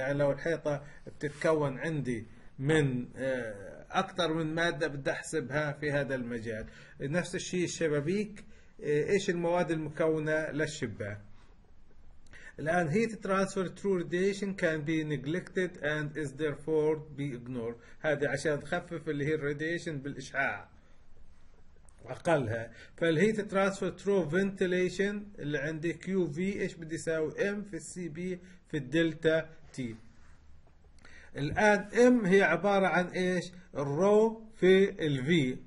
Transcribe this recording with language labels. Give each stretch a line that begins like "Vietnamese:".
Arabic: يعني لو الحيطة بتتكون عندي من أكثر من مادة بدي أحسبها في هذا المجال. نفس الشيء الشبابيك، إيش المواد المكونة للشباك.
English: الآن heat transfer through radiation can be neglected and is therefore be ignored.
Arabic: هذه عشان تخفف اللي هي radiation بالإشعاع أقلها. فال
English: heat transfer through ventilation
Arabic: اللي عندي QV إيش بدي يساوي M في CB في الدلتا T. الآن M هي عبارة عن إيش؟ الرو في الV.